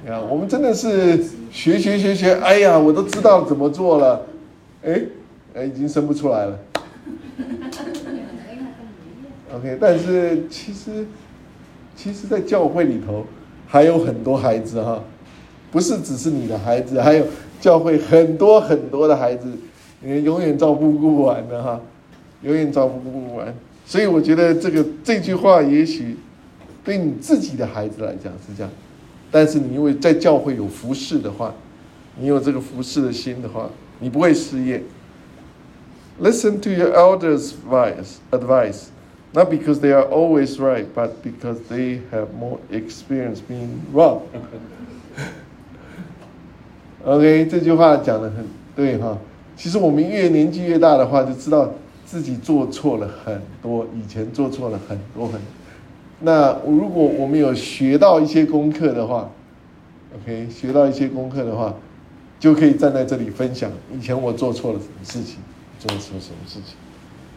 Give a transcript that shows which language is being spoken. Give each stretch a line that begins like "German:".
Chinese: 我们真的是学，哎呀，我都知道怎么做了，哎，已经生不出来了。OK， 但是其实在教会里头还有很多孩子哈，不是只是你的孩子，还有教会很多很多的孩子，你永远照顾不完的哈，永远照顾不完。所以我觉得这句话也许对你自己的孩子来讲是这样。但是你因为在教会有服侍的话，你有这个服侍的心的话，你不会失业。
English: Listen to your elders' advice, not because they are always right, but because they have more experience being wrong.
Chinese: OK， 这句话讲得很对哈。其实我们越年纪越大的话，就知道自己做错了很多，以前做错了很多很多。那如果我们有学到一些功课的话 ，OK， 学到一些功课的话，就可以站在这里分享以前我做错了什么事情，做错了什么事情。OK，